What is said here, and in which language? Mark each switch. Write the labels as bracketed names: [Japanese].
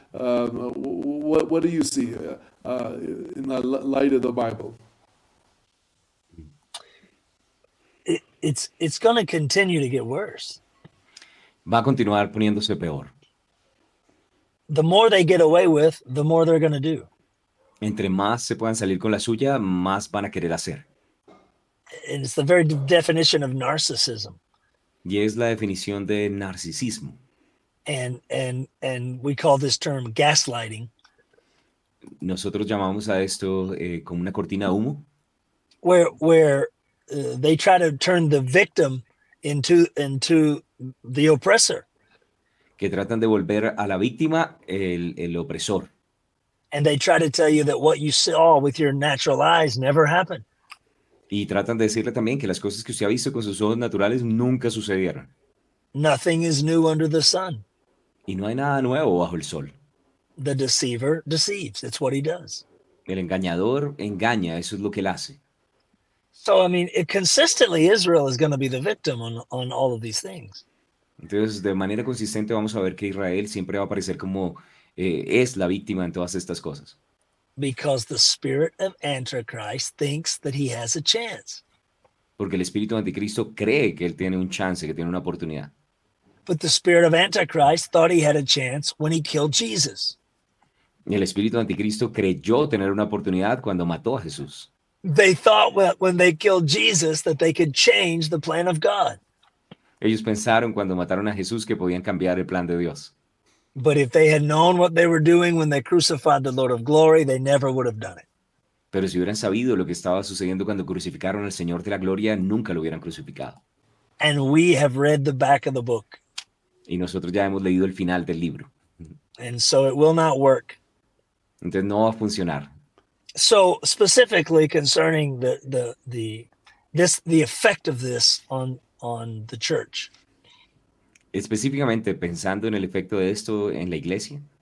[English] What do you see in the light of the Bible? It's going to continue to get worse. [Spanish] Va a continuar poniéndose peor. [English] The more they get away with, the more they're going to do. [Spanish] Entre más se puedan salir con la suya, más van a querer hacer. [English] And it's the very definition of narcissism. [Spanish] Y es la definición de narcisismo. [English] And we call this term gaslighting. [Spanish] Nosotros llamamos a esto como una cortina de humo. [English] Where they try to turn the victim into the oppressor. [Spanish] Que tratan de volver a la víctima el opresor. [English] And they try to tell you that what you saw with your natural eyes never happened. [Spanish] Y tratan de decirle también que las cosas que usted ha visto con sus ojos naturales nunca sucedieron. [English] Nothing is new under the sun. [Spanish] Y no hay nada nuevo bajo el sol. [English] The deceiver deceives. It's what he does. [Spanish] El engañador engaña. Eso es lo que él hace. [English] So, I mean, it consistently Israel is going to be the victim on all of these things. [Spanish] Entonces, de manera consistente vamos a ver que Israel siempre va a aparecer como es la víctima en todas estas cosas. [English] Because the spirit of Antichrist thinks that he has a chance. [Spanish] Porque el espíritu anticristo cree que él tiene un chance, que tiene una oportunidad. [English] But the spirit of Antichrist thought he had a chance when he killed Jesus. [Spanish] El espíritu anticristo creyó tener una oportunidad cuando mató a Jesús. [English] They thought that when they killed Jesus that they could change the plan of God. [Spanish] Ellos pensaron cuando mataron a Jesús que podían cambiar el plan de Dios. [English] But if they had known what they were doing when they crucified the Lord of Glory, they never would have done it. [Spanish] Pero si hubieran sabido lo que estaba sucediendo cuando crucificaron al Señor de la Gloria, nunca lo hubieran crucificado. [English] And we have read the back of the book. [Spanish] Y nosotros ya hemos leído el final del libro. [English] And so it will not work. [Spanish] Entonces no va a funcionar. [English] So specifically concerning the effect of this on the church. [Spanish] Específicamente pensando en el efecto de esto en la iglesia.